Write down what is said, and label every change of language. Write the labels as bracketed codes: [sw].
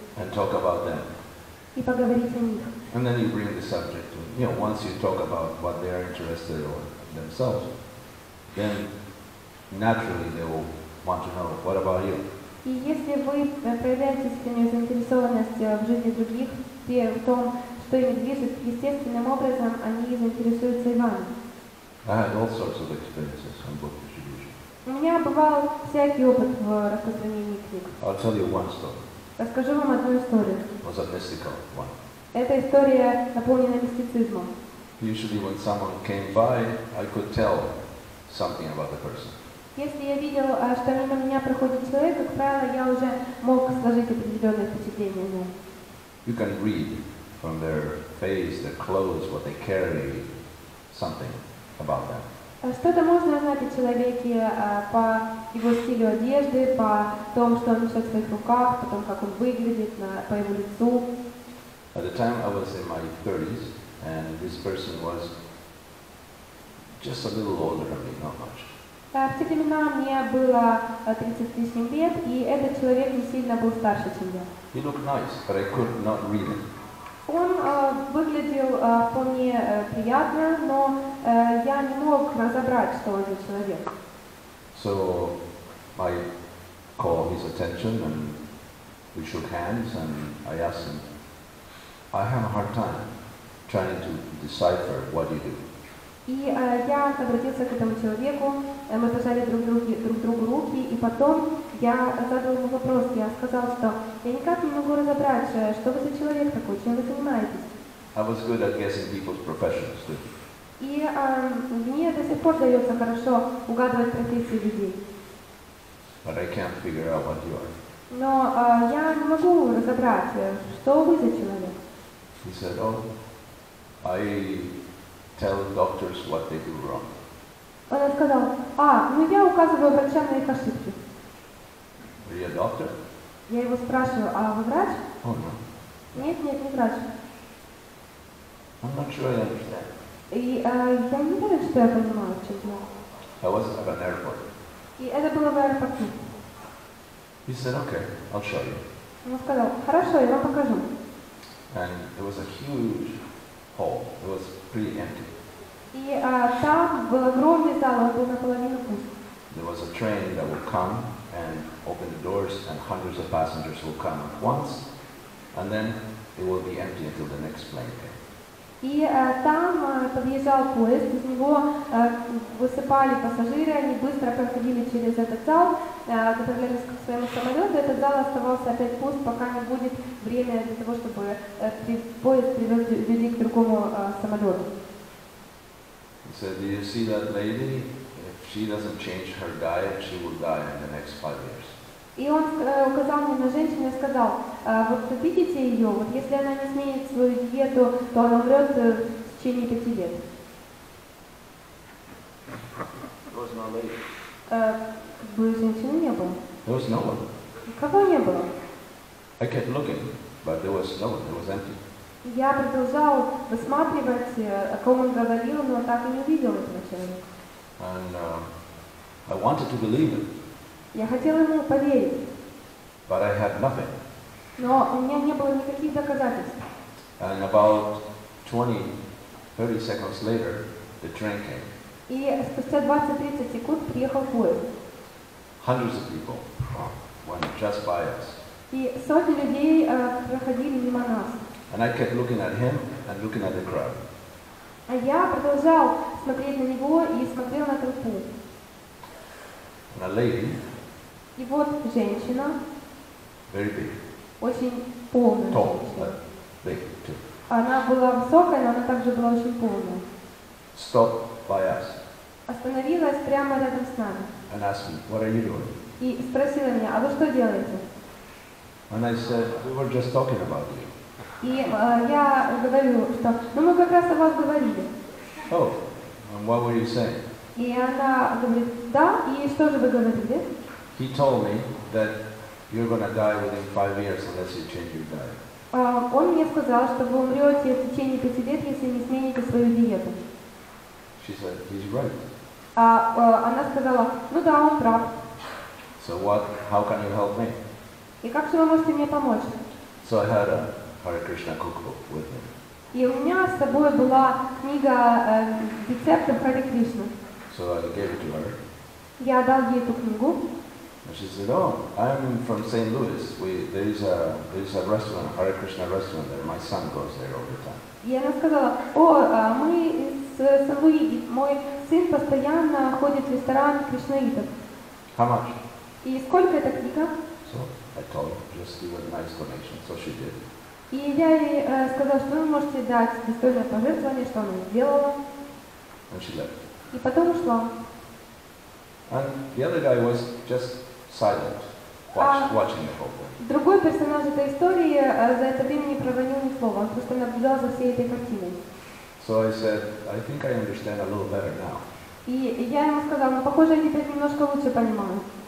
[en] And talk about them. [ru] И поговорить о них. [en] And then you bring the subject. Once you talk about what they are interested in themselves, then naturally they will want to know, what about you? [ru] И если вы проявляете искреннюю заинтересованность в жизни других, в том, что ими движет, естественным образом они заинтересуются и вами. [en] I had all sorts of experiences on book distribution. [ru] У меня бывал всякий опыт в распространении книг. [en] I'll tell you one story. [ru] Расскажу вам одну историю. [en] It was a mystical one. [ru] Эта история наполнена мистицизмом. [en] Usually when someone came by, I could tell something about the person. [ru] Если я видел, что мимо меня проходит человек, как правило, я уже мог сложить определенное впечатление о нем. [en] You can read from their face, their clothes, what they carry, something about them. [ru] Что-то можно узнать о человеке по его стилю одежды, по тому, что он несет в своих руках, по тому, как он выглядит, по его лицу. [en] At the time I was in my 30s, and this person was just a little older than me, not much. [ru] В те времена мне было 30 с лишним лет, и этот человек не сильно был старше, чем я. [en] He looked nice, but I could not read him. [ru] Он выглядел вполне приятно, но я не мог разобрать, что он за человек. [en] So I called his attention, and we shook hands, and I asked him, I have a hard time trying to decipher what you do. [ru] И я обратился к этому человеку, мы пожали друг другу руки, и потом я задал ему вопрос, я сказал, что я никак не могу разобрать, что вы за человек такой, чем вы занимаетесь. [en] I was good at guessing people's professions too. [ru] И мне до сих пор дается хорошо угадывать профессии людей. [en] But I can't figure out what you are. [ru] Но я не могу разобрать, что вы за человек. [en] He said, oh, I tell doctors what they do wrong. [ru] Он сказал, ну я указываю врачам на их ошибки. [en] Are you a doctor? [ru] Я его спрашиваю, а вы врач? [en] Oh, no. [ru] Нет, не врач. [en] I'm not sure I understand. [ru] И я не уверен, что я понимаю, в чем дело. [en] I was at an airport. [ru] И это было в аэропорту. [en] He said, okay, I'll show you. [ru] Он сказал, хорошо, я вам покажу. [en] And it was a huge hall. It was pretty empty. [ru] И там был огромный зал, он был наполовину пуст. [en] There was a train that would come and open the doors, and hundreds of passengers would come at once, And then it will be empty until the next plane came. [ru] И там подъезжал поезд, из него высыпали пассажиры, они быстро проходили через этот зал, отправлялись к своему самолету, этот зал оставался опять пуст, пока не будет время для того, чтобы поезд привез людей к другому самолету. [en] He said, do you see that lady? If she doesn't change her diet, she will die in the next 5 years. [ru] И он указал мне на женщину и сказал, вот вы видите ее, вот если она не сменит свою диету, то она умрет в течение 5 лет. Женщины не было. [en] There was no one. [ru] Кого не было? [en] I kept looking, but there was no one, it was empty. [ru] Я продолжал высматривать, о ком он говорил, но так и не увидел этого человека. [en] And I wanted to believe him. [ru] Я хотел ему поверить. [en] But I had nothing. [ru] Но у меня не было никаких доказательств. [en] And about 20-30 seconds later, the train came. [ru] И спустя 20-30 секунд приехал поезд. [en] Hundreds of people went just by us. [ru] И сотни людей проходили мимо нас. [en] And I kept looking at him and looking at the crowd. [ru] А я продолжал смотреть на него и смотрел на толпу. [en] And a lady. [ru] И вот женщина, [en] very big. [ru] Очень полная. [en] Tall, but big too. [ru] Она была высокая, но она также была очень полная. [en] Stop by us. [ru] Остановилась прямо рядом с нами. [en] And asked me, what are you doing? [ru] И спросила меня, а вы что делаете? [en] And I said, we were just talking about you. [ru] И я говорю, что, ну мы как раз о вас говорили. [en] Oh, and what were you saying? [ru] И она говорит, да, и что же вы говорили? [en] He told me that you're going to die within 5 years unless you change your diet. [ru] Он мне сказал, что вы умрете в течение 5 лет, если не смените свою диету. [en] She said, he's right. [ru] Она сказала, ну да, он прав. [en] So what? How can you help me? [ru] И как же вы можете мне помочь? [en] So I had a Hare Krishna cookbook with me. [ru] И у меня с собой была книга рецептов Hare Krishna. [en] So I gave it to her. [ru] Я дал ей эту книгу. [en] And she said, oh, I'm from St. Louis. There is a restaurant, Hare Krishna restaurant there. My son goes there all the time. [ru] И она сказала, о, мы из Сан-Луи, мой сын постоянно ходит в ресторан кришнаитов. [en] How much? [ru] И сколько эта книга? [en] So I told her, just give a nice donation. So she did. [ru] И я ей сказала, что вы можете дать достойное пожертвование, что она сделала. [en] And she left. [ru] И потом ушла. [en] And the other guy was just silent, watching the whole thing. [ru] Другой персонаж этой истории за это время не проронил ни слова, он просто наблюдал за всей этой картиной. [en] So I said, I think I understand a little better now. [ru] И я ему сказал, ну похоже, я теперь немножко лучше понимаю.